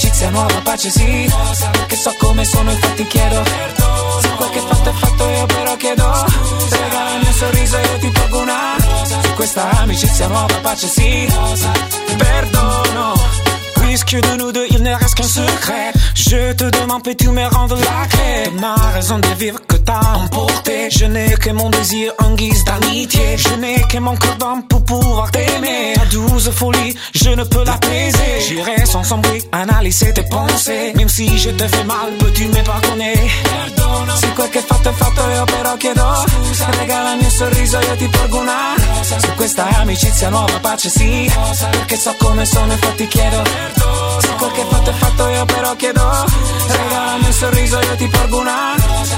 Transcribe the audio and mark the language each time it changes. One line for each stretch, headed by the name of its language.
Italian: Nuova pace sì, perché so come sono, infatti chiedo perdono. Se quel che fatto è fatto io però chiedo scusa. Regala il mio sorriso e io ti porgo una rosa. Su questa amicizia nuova pace sì, rosa. Perdono.
French: Puisque de nous deux il ne reste qu'un secret, je te demande peux-tu me rendre la clé de ma raison de vivre que t'as emporté. Je n'ai que mon désir en guise d'amitié. Je n'ai que mon corps d'homme pour pouvoir t'aimer. Ta douce folie, je ne peux l'apaiser. J'irai sans sombrer, analyser tes pensées. Même si je te fais mal, peux-tu me pardonner?
Italian: Perdono. Si quel che fatto è fatto io però chiedo scusa. Regala il mio sorriso, io ti porgo una rosa. Su questa amicizia nuova pace sì, rosa. Perché so come sono, infatti chiedo. Se quel che fatto è fatto io però chiedo scusa. Regala il mio sorriso, io ti porgo una rosa.